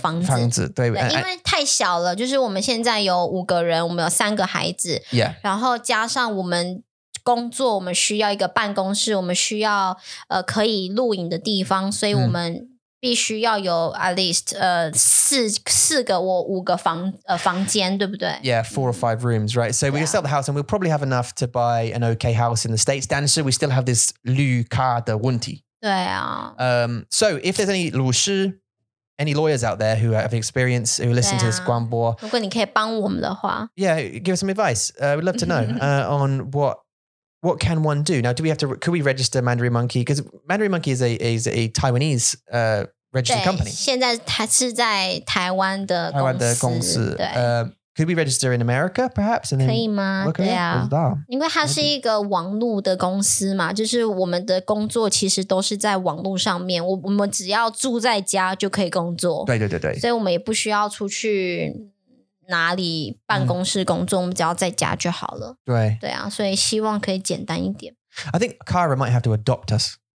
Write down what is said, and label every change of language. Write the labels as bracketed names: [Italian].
[Chinese] 卖掉我们在英国的房子，对，因为太小了。就是我们现在有5个人，我们有3个孩子， [English] yeah. [Chinese] 然后加上我们工作，我们需要一个办公室，我们需要可以录影的地方，所以我们必须要有 [English] at least [Chinese] 四个或五个房间，对不对？ [English] Yeah, 4 or 5 rooms, right? So we can sell the house, and we'll probably have enough to buy an okay house in the States. [Chinese] 但是 [English] we still have this [Chinese] 绿卡的问题。对啊, [English] So if there's any 律师, any lawyers out there who have experience, who listen to this 广播, [Chinese] 如果你可以帮我们的话, [English] yeah, give us some advice. We'd love to know on what can one do. Now, could we register Mandarin Monkey? Because Mandarin Monkey is a Taiwanese registered company. [Chinese] 现在它是在台湾的公司。 [English] Could we register in America, perhaps? And then [Chinese] 可以吗? 对啊，因为它是一个网络的公司嘛，就是我们的工作其实都是在网络上面， 我们只要住在家就可以工作。对对对对。所以我们也不需要出去哪里办公室工作， 我们只要在家就好了。对。对啊， 所以希望可以简单一点。 [English] I think Kara might have to adopt us.